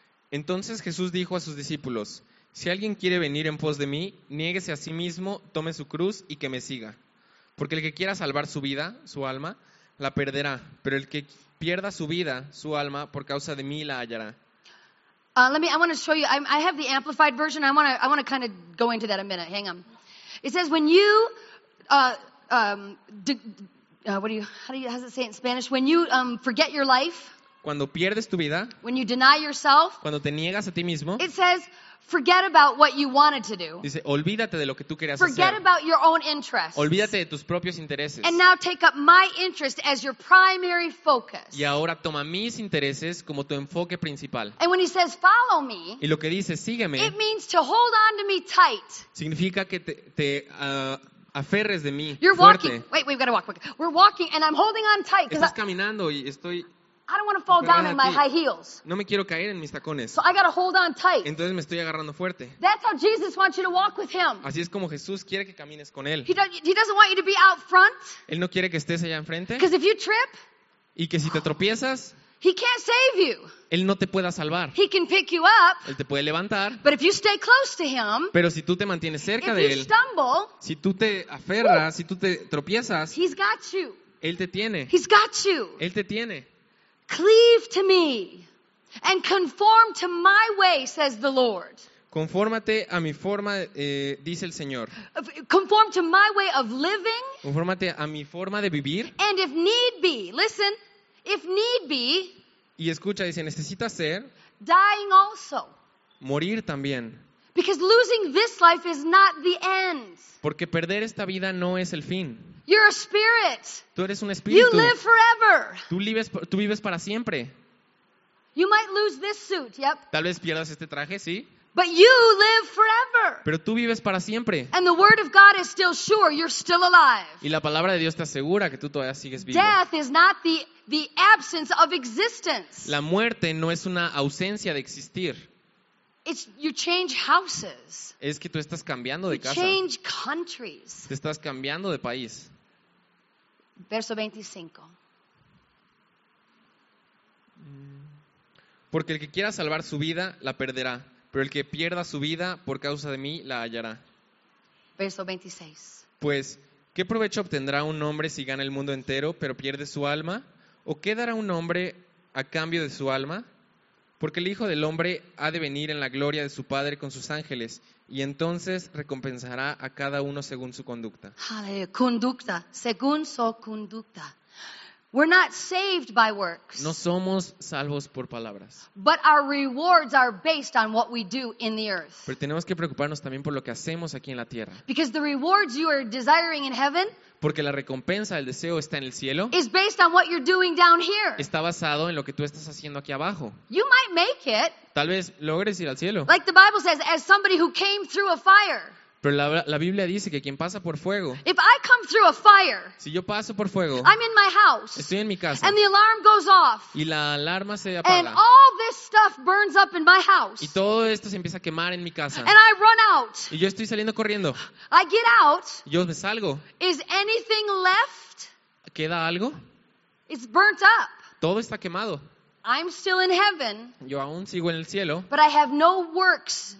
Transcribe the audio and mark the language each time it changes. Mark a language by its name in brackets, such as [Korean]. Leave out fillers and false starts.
[Spanish] Entonces Jesús dijo a sus discípulos, si alguien quiere venir en pos de mí, niéguese a sí mismo, tome su cruz y que me siga. Porque el que quiera salvar su vida, su alma, la perderá. Pero el que pierda su vida, su alma, por causa de mí la hallará. [English] I want to show you. I have the amplified version. I want to kind of go into that a minute. Hang on. It says when you how does it say in Spanish? When you forget your life. [Spanish] Cuando pierdes tu vida. [English] When you deny yourself. [Spanish] Cuando te niegas a ti mismo. [English] It says forget about what you wanted to do. [Spanish] Dice, olvídate de lo que tú querías hacer. [English] Forget about your own interests. [Spanish] Olvídate de tus propios intereses. [English] And now take up my interest as your primary focus. [Spanish] Y ahora toma mis intereses como tu enfoque principal. [English] And when he says follow me, [Spanish] y lo que dice, sígueme, [English] it means to hold on to me tight. [Spanish] Significa que aferres de mí. [English] You're walking. Wait, we've got to walk quick. We're walking and I'm holding on tight. [Spanish] Estás caminando y estoy. [English] I don't want to fall down in my high heels. [Spanish] No me quiero caer en mis tacones. [English] So I got to hold on tight. [Spanish] Entonces me estoy agarrando fuerte. [English] That's how Jesus wants you to walk with him. [Spanish] Así es como Jesús quiere que camines con él. [English] He doesn't want you to be out front. [Spanish] Él no quiere que estés allá enfrente. [English] Because if you trip, [Spanish] y que si te tropiezas, [English] he can't save you. [Spanish] Él no te pueda salvar. [English] He can pick you up. [Spanish] Él te puede levantar. [English] But if you stay close to him, [Spanish] pero si tú te mantienes cerca de él, [English] if you stumble, [Spanish] si tú te aferras, si tú te tropiezas, [English] he's got you. [Spanish] Él te tiene. [English] He's got you. [Spanish] Él te tiene. [English] Cleave to me and conform to my way, says the Lord. [Spanish] Confórmate a mi forma, dice el Señor. [English] Conform to my way of living. [Spanish] Confórmate a mi forma de vivir. [English] And if need be, listen, if need be. [Spanish] Y escucha, dice, necesito hacer. [English] Dying also. [Spanish] Morir también. [English] Because losing this life is not the end. [Spanish] Porque perder esta vida no es el fin. [English] You're a spirit. [Spanish] Tú eres un espíritu. [English] You live forever. [Spanish] Tú vives para siempre. [English] You might lose this suit, yep. [Spanish] Tal vez pierdas este traje, sí. [English] But you live forever. [Spanish] Pero tú vives para siempre. [English] And the word of God is still sure, you're still alive. [Spanish] Y la palabra de Dios te asegura que tú todavía sigues vivo. [English] Death is not the absence of existence. [Spanish] La muerte no es una ausencia de existir. [English] It's you change houses. [Spanish] Es que tú estás cambiando de casa. [English] You change countries. [Spanish] Te estás cambiando de país. Verso 25. Porque el que quiera salvar su vida la perderá, pero el que pierda su vida por causa de mí la hallará. Verso 26. Pues, ¿qué provecho obtendrá un hombre si gana el mundo entero pero pierde su alma? ¿O qué dará un hombre a cambio de su alma? Porque el Hijo del Hombre ha de venir en la gloria de su Padre con sus ángeles y entonces recompensará a cada uno según su conducta. Aleluya. Conducta, según su conducta. [English] We're not saved by works. [Spanish] No somos salvos por palabras. [English] But our rewards are based on what we do in the earth. [Spanish] Pero tenemos que preocuparnos también por lo que hacemos aquí en la tierra. [English] Because the rewards you are desiring in heaven. [Spanish] Porque la recompensa, el deseo está en el cielo. [English] Is based on what you're doing down here. [Spanish] Está basado en lo que tú estás haciendo aquí abajo. [English] You might make it. [Spanish] Tal vez logres ir al cielo. [English] Like the Bible says, as somebody who came through a fire. [Spanish] Pero la Biblia dice que quien pasa por fuego. [English] If I come through a fire. [Spanish] Si yo paso por fuego. [English] I'm in my house. [Spanish] Estoy en mi casa. [English] And the alarm goes off. [Spanish] Y la alarma se apaga. [English] And all this stuff burns up in my house. [Spanish] Y todo esto se empieza a quemar en mi casa. [English] And I run out. [Spanish] Y yo estoy saliendo corriendo. [English] I get out. [Spanish] Yo me salgo. [English] Is anything left? [Spanish] ¿Queda algo? [English] It's burnt up. [Spanish] Todo está quemado. [English] I'm still in heaven. [Spanish] Yo aún sigo en el cielo. [English] But I have no works.